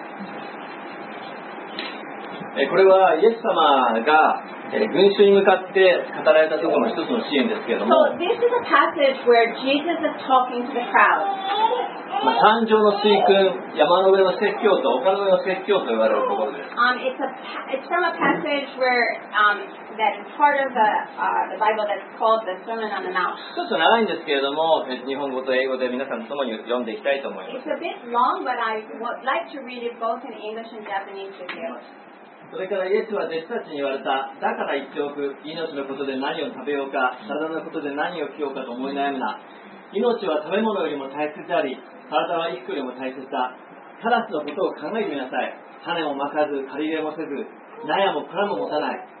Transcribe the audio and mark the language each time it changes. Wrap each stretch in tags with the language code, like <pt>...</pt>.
<ja>これはイエス様が群衆に向かって語られたところの一つのシーンですけれども、</ja> <en>so, this is a passage where Jesus is talking to the crowd.</en> <ja>誕生の水訓、山の上の説教と丘の上の説教と言われるところです。</ja> <en>It's from a passage where, that is part of the Bible that's called the Sermon on the Mount.</en> <ja>少し長いんですけれども、日本語と英語で皆さんと共に読んでいきたいと思います。</ja> <en>It's a bit long, but I would like to read it both in English and Japanese with you.</en> <ja>それからイエスは弟子たちに言われた。だから言っておく。命のことで何を食べようか、体のことで何を着ようかと思い悩むな。命は食べ物よりも大切であり、体は衣服よりも大切だ。タラスのことを考えてみなさい。種もまかず、刈り入れもせず、納屋も蔵も持たない。</ja>